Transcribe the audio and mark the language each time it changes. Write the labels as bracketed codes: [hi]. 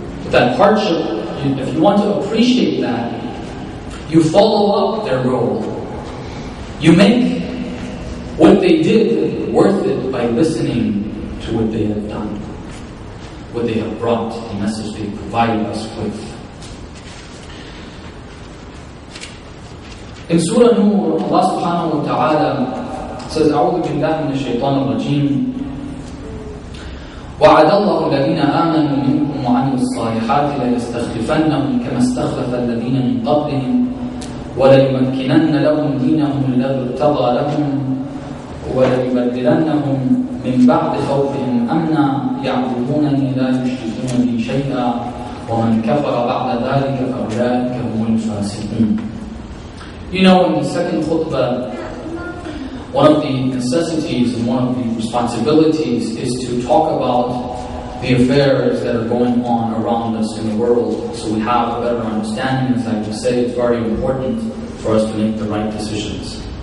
[en] That hardship, if you want to appreciate that, you follow up their role. You make what they did worth it by listening to what they have done, what they have brought, the message they provided us with. In Surah Nur, Allah subhanahu wa ta'ala says, [ar] أعوذ بالله من الشيطان الرجيم وعد الله الذين آمنوا منكم وعملوا الصالحات ليستخلفنهم كما استخلف الذين من قبلهم وليمكنن لهم دينهم الذي ارتضى لهم وليبدلنهم من بعد خوفهم أمنا يعبدونني لا يشركون بي شيئا ومن كفر بعد ذلك فأولئك هم الفاسقون. [en] You know, in the second khutbah, one of the necessities and one of the responsibilities is to talk about the affairs that are going on around us in the world, so we have a better understanding. As I just say, it's very important for us to make the right decisions.